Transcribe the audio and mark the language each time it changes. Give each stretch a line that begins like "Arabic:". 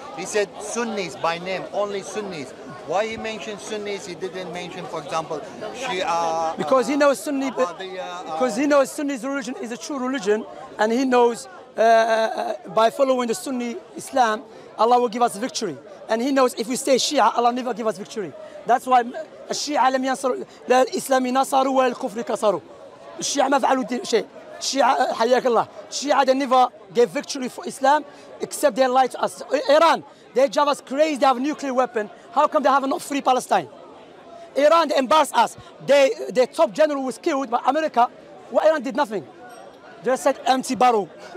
English: He said Sunnis by name, only Sunnis. Why he mentioned Sunnis? He didn't mention, for example, Shia. Because he knows Sunni. Because he knows Sunni's religion is a true religion, and he knows by following the Sunni Islam, Allah will give us victory. And he knows if we stay Shia, Allah will never give us victory. That's why
Arabic: Shia لم ينصر الإسلام نصر والكفر كسر. Shia ما فعلوا شيء. Shia حياك الله.
English: Shia they never gave victory for Islam, except they lied to us. Iran. They drive us crazy, they have a nuclear weapon. How come they have not free Palestine? Iran, they embarrassed us. Their top general was killed by America. Well, Iran did nothing. They said empty barrel.